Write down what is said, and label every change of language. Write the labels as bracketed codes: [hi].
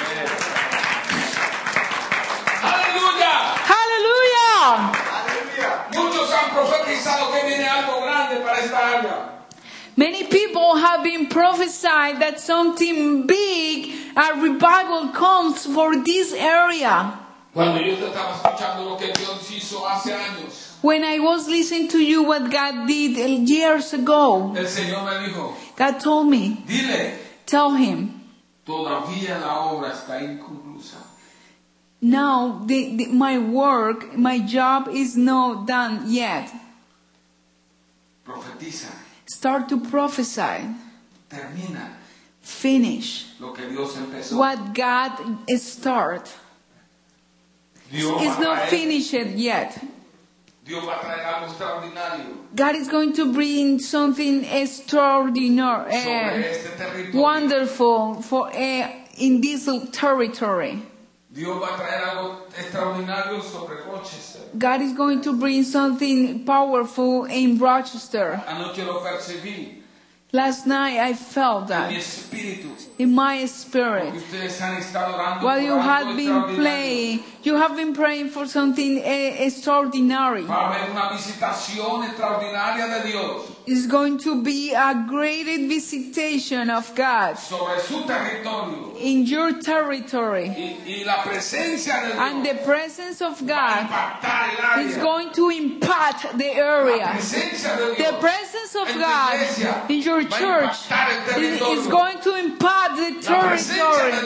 [en] Hallelujah. Hallelujah. [es] Muchos han profetizado que viene algo grande para esta área. [en] Many people have been prophesied that something big, a revival comes for this area. [es] Cuando yo te estaba escuchando lo que Dios hizo hace años, [en] when I was listening to you what God did years ago, [es] el Señor me dijo, [en] God told me, [es] dile, [en] tell him, [es] todavía la obra está inconclusa. [en] Now my work, my job is not done yet. [es] Profetiza. [en] Start to prophesy. [es] Termina. [en] Finish. [es] Lo que Dios empezó. [en] What God start. It's not finished yet. [es] Dios va a traer algo extraordinario. [en] God is going to bring something extraordinary, wonderful for in this territory. [es] Dios va a traer algo extraordinario sobre Rochester. [en] God is going to bring something powerful in Rochester. [es] Anoche lo percibí. [en] Last night I felt that. [es] En mi espíritu. [en] In my spirit. [es] Porque ustedes han estado orando. [en] While you have been praying, you have been praying for something extraordinary. [es] Va a haber una visitación extraordinaria de Dios. [en] It's going to be a great visitation of God. [es] Sobre su territorio. [en] In your territory. [es] Y la presencia de Dios. [en] And the presence of God is going to impact the area. [es] La presencia de Dios. [en] The presence of God in your church is going to impact the territory.